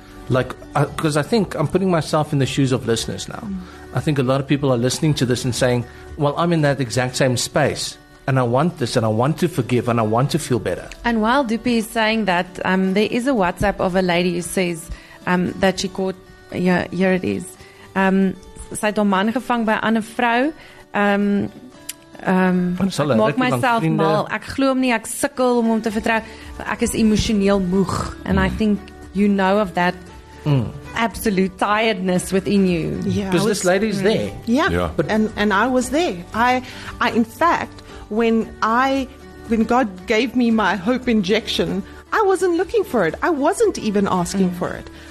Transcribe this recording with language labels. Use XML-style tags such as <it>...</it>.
<en>Like, because I think I'm putting myself in the shoes of listeners now. I think a lot of people are listening to this and saying, well, I'm in that exact same space and I want this and I want to forgive and I want to feel better. And while Dupi is saying that, there is a WhatsApp of a lady who says that she caught, here it is.</en> <af>Sy het haar man gevang by 'n ander vrou. Ek maak myself mal. Ek glo hom nie. Ek sukkel om hom te vertrou. Ek is emosioneel moeg.</af> <en>And I think you know of that absolute tiredness within you. Because this lady's there. Yeah. And I was there. I in fact, when God gave me my hope injection, I wasn't looking for it. I wasn't even asking for it.</en>